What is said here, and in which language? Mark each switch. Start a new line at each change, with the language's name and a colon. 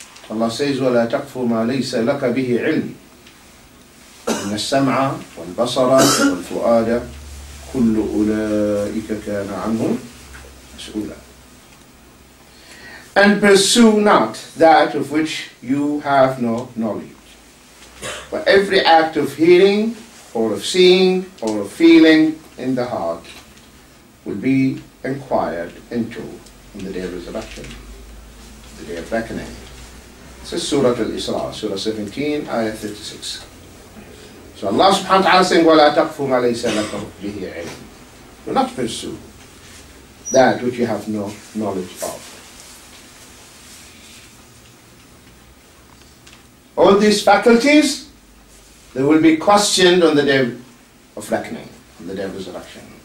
English: Allah says,
Arabic: وَلَا تَقْفُ مَا لَيْسَ لَكَ بِهِ عِلْمٍ إِنَّ السَّمْعَ وَالْبَصَرَ وَالْفُؤَادَ كُلُّ أُولَٰئِكَ كَانَ عَنْهُمْ مَسْئُولًا.
English: And pursue not that of which you have no knowledge. But every act of hearing, or of seeing, or of feeling in the heart will be inquired into in the day of resurrection, the day of reckoning. This is Surah Al-Isra, Surah 17, Ayah 36. So Allah subhanahu wa ta'ala saying,
Arabic: وَلَا تَقْفُ مَا لَيْسَ لَكَ بِهِ عِلْمٍ.
English: Do not pursue that which you have no knowledge of. All these faculties, they will be questioned on the day of reckoning, on the day of resurrection.